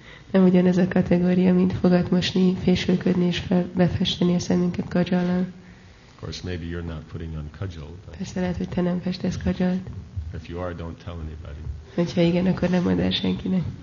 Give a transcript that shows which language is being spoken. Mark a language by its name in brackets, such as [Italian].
[Hungarian] Nem ugyanez a kategória, mint fogatmosni, fésülködni és befesteni a szemünket kajallal. [English] Of course, maybe you're not putting on kajal. [Hungarian] Persze lehet, hogy te nem festesz kajalt. [English] If you are, don't tell anybody. [Hungarian] Hogyha igen, akkor nem mondd el senkinek.